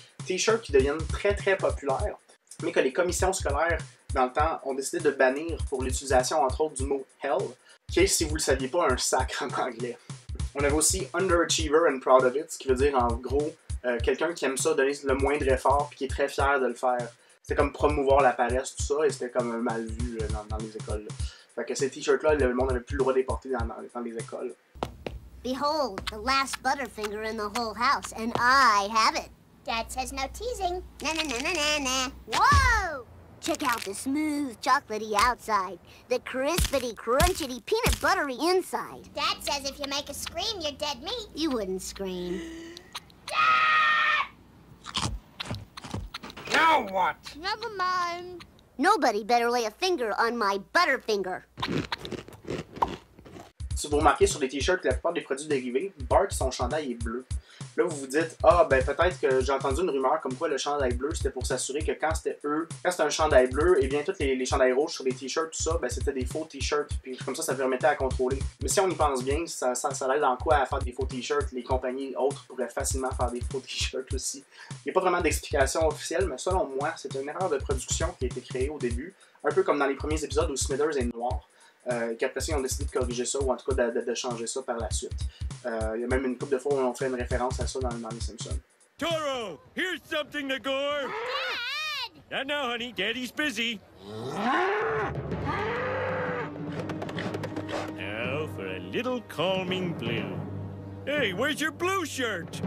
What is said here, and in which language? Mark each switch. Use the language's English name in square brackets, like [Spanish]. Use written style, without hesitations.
[French] T-shirts qui deviennent très très populaires, mais que les commissions scolaires, dans le temps, ont décidé de bannir pour l'utilisation, entre autres, du mot « hell », qui est, si vous le saviez pas, un sacre en anglais. On avait aussi « [English] underachiever and proud of it [French] », ce qui veut dire, en gros, quelqu'un qui aime ça, donner le moindre effort, puis qui est très fier de le faire. C'était comme promouvoir la paresse, tout ça, et c'était comme un mal vu dans les écoles. Là. Fait que ces t-shirts-là, le monde n'avait plus le droit de les porter dans les écoles. [English] Behold, the last Butterfinger in the whole house, and I have it. Dad says no teasing. Na na na na na na. Whoa! Check out the smooth, chocolatey outside. The crispity, crunchity, peanut buttery inside. Dad says if you make a scream, you're dead meat. You wouldn't scream. Now what? Never mind. Nobody better lay a finger on my Butterfinger. [French] Si vous remarquez sur les t-shirts la plupart des produits dérivés, Bart, son chandail est bleu. Là, vous vous dites, ah, ben peut-être que j'ai entendu une rumeur comme quoi le chandail bleu, c'était pour s'assurer que quand c'était un chandail bleu, et bien tous les chandails rouges sur les t-shirts, tout ça, ben c'était des faux t-shirts, puis comme ça, ça permettait à contrôler. Mais si on y pense bien, ça aide en quoi à faire des faux t-shirts? Les compagnies autres pourraient facilement faire des faux t-shirts aussi. Il n'y a pas vraiment d'explication officielle, mais selon moi, c'est une erreur de production qui a été créée au début, un peu comme dans les premiers épisodes où Smithers est noir. Qu'après ça, ils ont décidé de corriger ça, ou en tout cas de changer ça par la suite. Il y a même une couple de fois où on fait une référence à ça dans les Simpsons. [English] Toro, here's something to gore! Dad! Not now, honey. Daddy's busy. Now for a little calming blue. Hey, where's your blue shirt?